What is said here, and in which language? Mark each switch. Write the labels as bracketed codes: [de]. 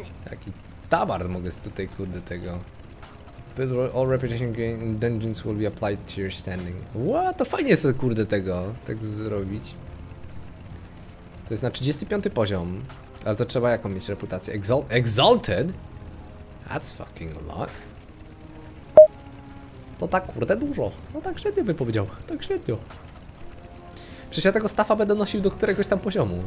[pl] Taki tabard mogę tutaj, kurde, tego. [en] All reputation gain in dungeons will be applied to your standing. What? [pl] To fajnie jest, kurde, tego tak zrobić. To jest na 35 poziom. Ale to trzeba jaką mieć reputację? Exalted? [en] That's fucking a lot. [pl] To tak, kurde, dużo. No tak średnio bym powiedział, tak średnio. Przecież ja tego staffa będę nosił do któregoś tam poziomu.